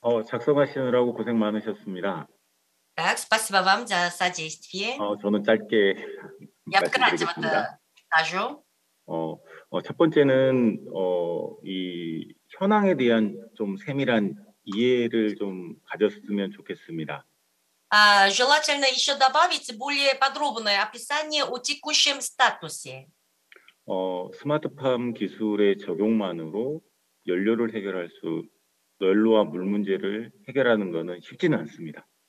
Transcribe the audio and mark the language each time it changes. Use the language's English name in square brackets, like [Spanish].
[Korean] 작성하시느라고 고생 많으셨습니다. [Russian] Так, спасибо вам за содействие. [Korean] 저는 짧게 말씀드리겠습니다. 첫 번째는 이 현황에 대한 좀 세밀한 이해를 좀 가졌으면 좋겠습니다. [Russian] Желательно еще добавить более подробное описание о текущем статусе. [Korean] 스마트팜 기술의 적용만으로 연료를 해결할 수 연료와 물 문제를 해결하는 것은 쉽지는 않습니다.